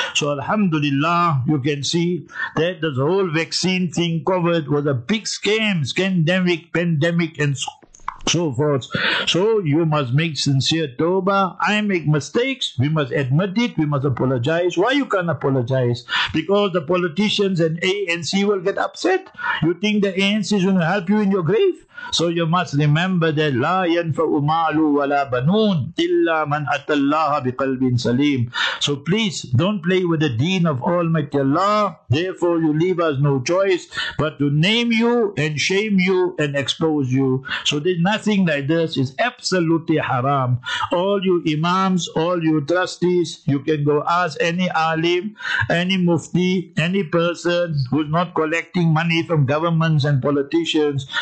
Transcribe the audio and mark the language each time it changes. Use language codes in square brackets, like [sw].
[en] So alhamdulillah, you can see that this whole vaccine thing covered was a big scam, scandemic, pandemic and so forth. So you must make sincere tawbah. I make mistakes. We must admit it. We must apologize. Why you can't apologize? Because the politicians and ANC will get upset. You think the ANC is going to help you in your grave? So you must remember that [ar] لا ينفع مال ولا بنون إلا من أتى الله بقلب سليم. [en] So please don't play with the deen of Almighty Allah. Therefore you leave us no choice but to name you and shame you and expose you. So there's nothing like this. It's absolutely haram. All you imams, all you trustees, you can go ask any alim, any mufti, any person who's not collecting money from governments and politicians.